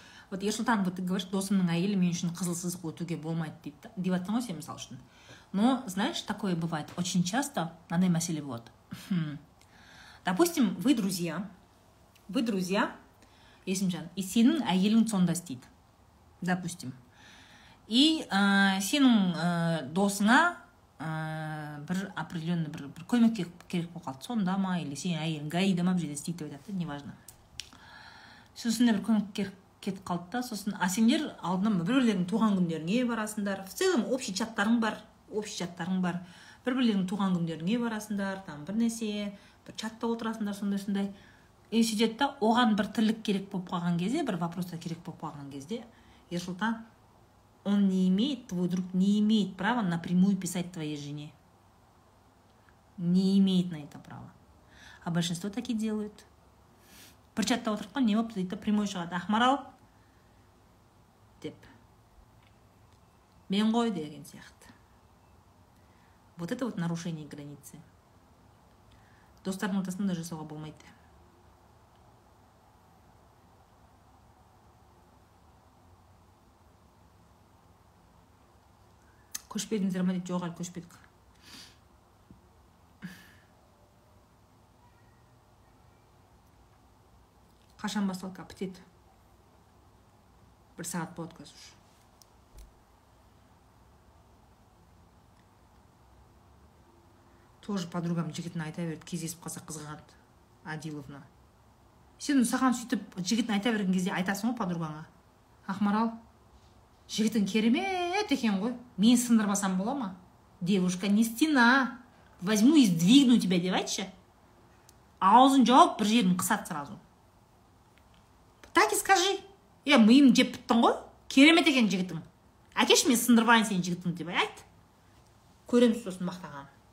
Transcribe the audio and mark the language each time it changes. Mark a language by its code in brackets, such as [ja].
[ru] Вот Ерсултан, вот ты говоришь, [kk] досымның әйелі мен үшін қызыл сызық өтуге болмайды дейді. Деватсың ғой сен мысалы үшін. [ru] Но, знаешь, такое бывает очень часто, [kk] мынандай мәселе болады. [ru] Допустим, вы друзья. Вы друзья, [kk] есімжан, и сенің әйелің сонда істейді. Допустим. И сенің досыңа бір определенный бір көмек керек болып қалды. Сонда ма, или сенің әйелің ғайды ма, бұл істейді деп айтады, неважно. Сосында бір көңіл кетіп қалды да, сосын сендер алдында бір-бірлерің туған күндеріңе барасыңдар, [ru] в целом общий [kk] чаттарың бар, общий чаттарың бар, бір-бірлерің туған күндеріңе барасыңдар, там бір нәрсе, бір чатта отырасыңдар, сондай-сондай. И сөйтеді да, оған бір тірлік керек болып қалған кезде, бір вопроста керек болып қалған кезде, Ерсұлтан, [ru] он не имеет, твой друг не имеет права напрямую писать твоей жене. Не имеет на это права. А большинство так и делают. [kk] Бір чатта отырып қой, не болып дейді, прямой шығады, ақмарал деп. Мен ғой деген сияқты. [ru] Вот это вот нарушение границы. [kk] Достардың ортасында жасауға болмайды. көшпедіңдер ма дейді, жоқ әлі көшпедік. Қашан басталды қап, дейді. Бір сағат болады қазір. Тоже подругам жігітін айта берді, кездесіп қалса қызғанат Адиловна. Сен саған сөйтіп жігітін айта берген кезде айтасың ғой подругаңа. Ақмарал, жігітін керемет екен ғой, мен сындырмасам бола ма? [ru] Девушка не стена, возьму и сдвигну тебя, девайтшы. [kk] Аузын жауап, бір жерін қысат сразу. [ru] Так и скажи. [kk] Е, миым деп біттің ғой, керемет екен жігітін. Әкеш, мен сындырмайын сен жігітін деп айт. Көреміз сосын мақтаған.